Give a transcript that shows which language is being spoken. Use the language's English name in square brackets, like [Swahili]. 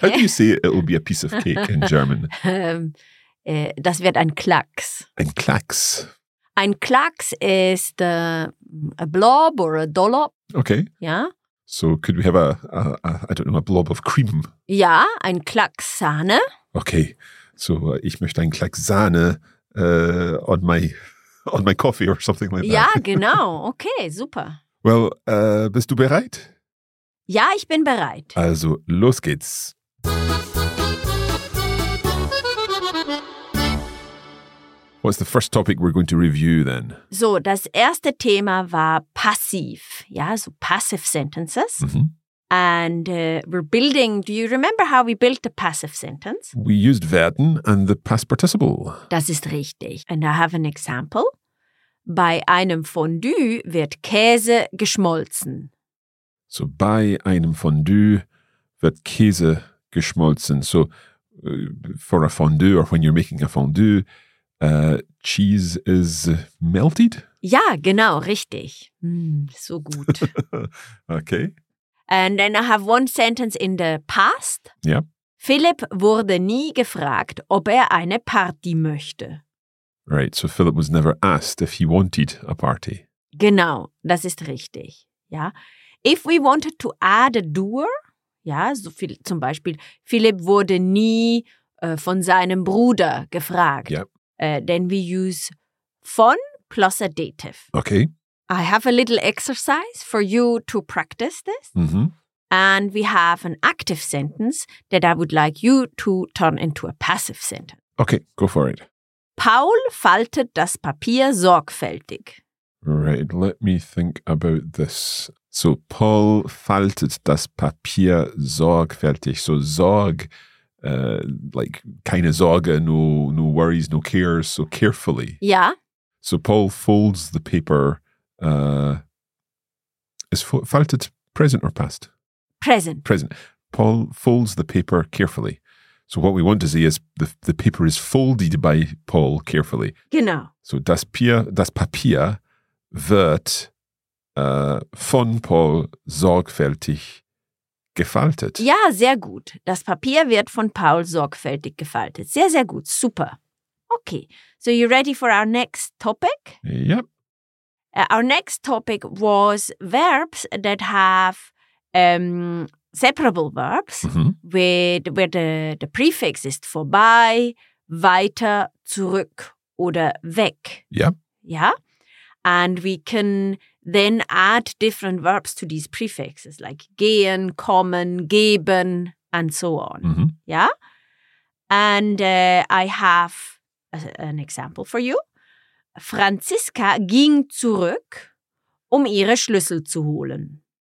[English] How do you say it'll be a piece of cake in German? [German] Das wird ein Klacks. Ein Klacks. [English] Ein Klacks is a blob or a dollop. Okay. Yeah. So could we have a blob of cream? [German] Ja, ein Klacks Sahne. [English] Okay. So [German] ich möchte ein Klacks Sahne [English] on my coffee or something like that. [German] Ja, genau. Okay, super. Well, bist du bereit? Ja, ich bin bereit. Also, los geht's. [English] What's the first topic we're going to review then? [German] So, das erste Thema war passiv. [English] Ja, so passive sentences. Mm-hmm. And we're building, do you remember how we built the passive sentence? We used werden and the past participle. [German] Das ist richtig. [English] And I have an example. [German] Bei einem Fondue wird Käse geschmolzen. So, bei einem Fondue wird Käse geschmolzen. [English] So, for a fondue or when you're making a fondue, cheese is melted? [German] Ja, genau, richtig. So gut. [English] Okay. And then I have one sentence in the past. Yeah. [German] Philip wurde nie gefragt, ob er eine Party möchte. [English] Right, so Philip was never asked if he wanted a party. [German] Genau, das ist richtig. Ja. [English] If we wanted to add a doer, [German] ja, so viel, zum Beispiel, Philip wurde nie von seinem Bruder gefragt. [English] Yeah. Then we use von plus a dative. Okay. I have a little exercise for you to practice this. Mm-hmm. And we have an active sentence that I would like you to turn into a passive sentence. Okay, go for it. [German] Paul faltet das Papier sorgfältig. [English] Right, let me think about this. [German] So, Paul faltet das Papier sorgfältig. [English] So, Sorg, like, [German] keine Sorge, [English] no worries, no cares, so carefully. Yeah. So, Paul folds the paper. Is faltet present or past? Present. Present. Paul folds the paper carefully. So what we want to say is the paper is folded by Paul carefully. [German] Genau. So das Papier wird von Paul sorgfältig gefaltet. Ja, sehr gut. Das Papier wird von Paul sorgfältig gefaltet. Sehr, sehr gut. Super. Okay. [English] So you ready for our next topic? Yep. Our next topic was verbs that have separable verbs, mm-hmm. where the prefix is vorbei, weiter, zurück oder weg. Yeah. Yeah. And we can then add different verbs to these prefixes, like gehen, kommen, geben and so on. Mm-hmm. Yeah. And I have an example for you. [German] Franziska ging zurück, um ihre Schlüssel zu holen.